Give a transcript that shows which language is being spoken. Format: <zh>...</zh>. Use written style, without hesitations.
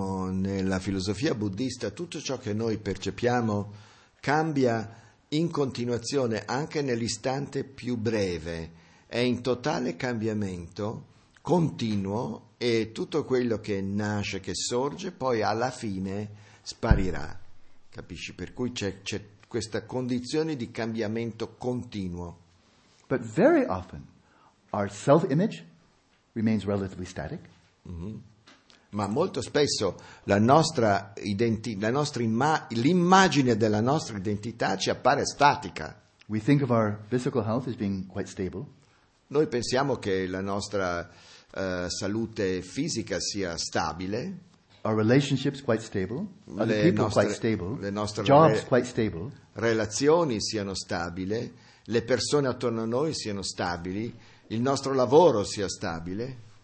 <it>Nella filosofia buddista, tutto ciò che noi percepiamo cambia in continuazione, anche nell'istante più breve. È in totale cambiamento continuo. E tutto quello che nasce, che sorge, poi alla fine sparirà, capisci? Per cui c'è questa condizione di cambiamento continuo.</it> <en>But very often our self-image remains relatively static. Mm-hmm.</en> <it>Ma molto spesso l'immagine della nostra identità ci appare statica.</it> <en>We think of our physical health as being quite stable.</en> <it>Noi pensiamo che la nostra salute fisica sia stabile,</it> <en>our relationships quite stable, other people quite stable,</en> <it>le nostre</it> <en>jobs quite stable,</en> <it>relazioni siano stabili, le persone attorno a noi siano stabili, il nostro lavoro sia stabile.</it>